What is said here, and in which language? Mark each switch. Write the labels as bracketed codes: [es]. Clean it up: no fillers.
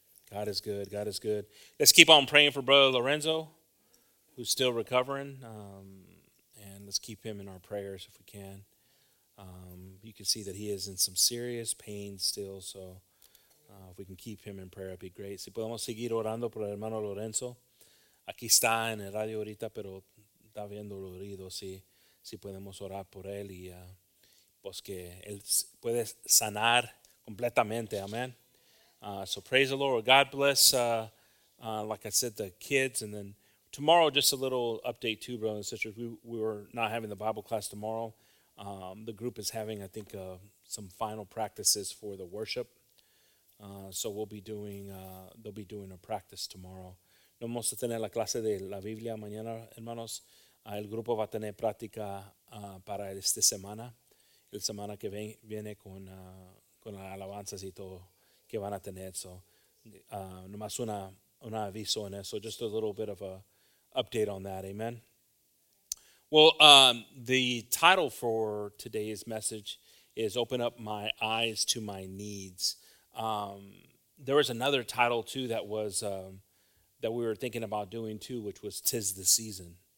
[en] God is good. God is good. Let's keep on praying for Brother Lorenzo, who's still recovering. And let's keep him in our prayers if we can. You can see that he is in some serious pain still. So if we can keep him in prayer, it'd be great. [es] Si podemos seguir orando por el hermano Lorenzo. Aquí está en el radio ahorita, pero está viendo dolorido. Si podemos orar por él y pues que él puede sanar completamente. [en] Amen. So praise the Lord. God bless, like I said, the kids. And then tomorrow, just a little update too, brothers and sisters. We were not having the Bible class tomorrow. The group is having, I think, some final practices for the worship. So we'll be doing, they'll be doing a practice tomorrow. [es] No vamos a tener la clase de la Biblia mañana, hermanos. El grupo va a tener práctica para esta semana. El semana que viene con las alabanzas y todo que van a tener. So, nomás una aviso en eso. [en] Just a little bit of a update on that. Amen. Well, the title for today's message is Open Up My Eyes to My Needs. There was another title, too, that was that we were thinking about doing, too, which was Tis the Season.